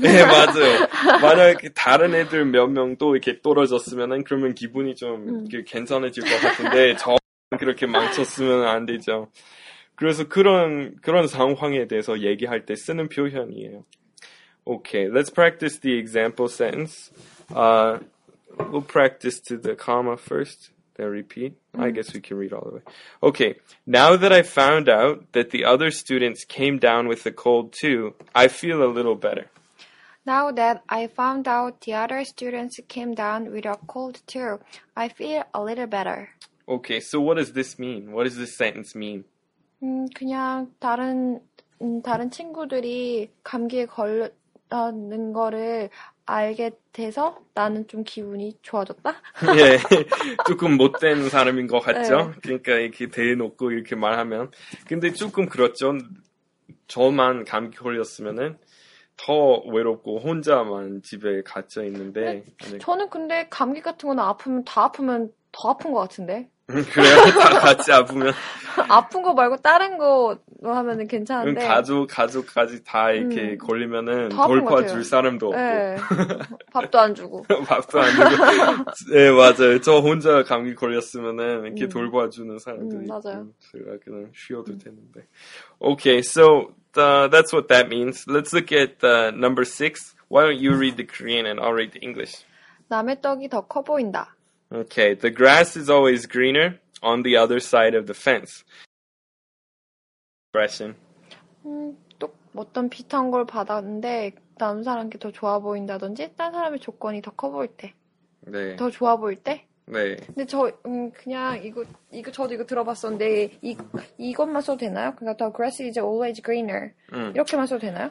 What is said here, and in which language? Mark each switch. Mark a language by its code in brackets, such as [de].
[ko] 네 맞아요. 만약에 다른 애들 몇 명도 이렇게 떨어졌으면은 그러면 기분이 좀 이렇게 괜찮아질 것 같은데 저 그렇게 망쳤으면 안 되죠. 그래서 그런 상황에 대해서 얘기할 때 쓰는 표현이에요. [en] Okay, let's practice the example sentence. We'll practice to the comma first, then repeat. I guess we can read all the way. Okay, now that I found out that the other students came down with the cold too, I feel a little better. Now that I found out the other students came down with a cold too, I feel a little better. Okay, so what does this mean? What does this sentence mean? [ko] 그냥 다른 친구들이 감기에 걸렸다는 거를 알게 돼서 나는 좀 기분이 좋아졌다? 예, 조금 못된 사람인 것 같죠? 네. 그러니까 이렇게 대놓고 이렇게 말하면. 근데 조금 그렇죠. 저만 감기 걸렸으면은 더 외롭고 혼자만 집에 갇혀 있는데. 저는 근데 감기 같은 거는 아프면 다 아프면 더 아픈 것 같은데. 그래요? 다 같이 아프면? 아픈 거 말고 다른 거 하면은 괜찮은데. 가족까지 다 이렇게 걸리면은 돌봐줄 사람도 없고. 네. 밥도 안 주고. 밥도 안 주고. 네, 맞아요. 저 혼자 감기 걸렸으면은 이렇게 돌봐주는 사람들이. 맞아요. 제가 그냥 쉬어도 되는데. [en] Okay, so that's what that means. Let's look at number six. Why don't you read the Korean and I'll read the English? [ko] 남의 떡이 더 커 보인다. [en] Okay, the grass is always greener on the other side of the fence. Expression. [ko] 또 어떤 비슷한 걸 받았는데 남 사람 게 더 좋아 보인다든지 다른 사람의 조건이 더 커 보일 때. 네. 더 좋아 보일 때? 네. 근데 저 그냥 이거 저도 이거 들어봤었는데 이것만 써도 되나요? 그러니까 [en] the grass is always greener. [ko] 이렇게만 써도 되나요?